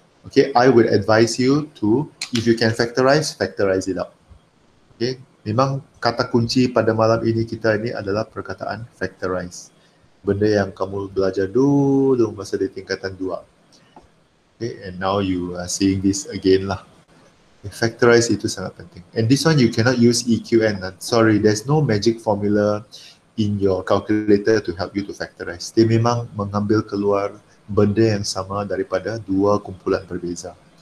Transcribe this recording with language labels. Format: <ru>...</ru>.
<en>Okay, I would advise you to, if you can factorize it out.</en> <ms>Okay, memang kata kunci pada malam ini kita ini adalah perkataan factorize. Benda yang kamu belajar dulu masa di tingkatan 2.</ms> <en>Okay, and now you are seeing this again lah.</en> <ms>Factorize itu sangat penting.</ms> <en>And this one you cannot use EQN. Sorry, there's no magic formula in your calculator to help you to factorize.</en> <ms>Dia memang mengambil keluar benda yang sama daripada dua kumpulan berbeza.</ms>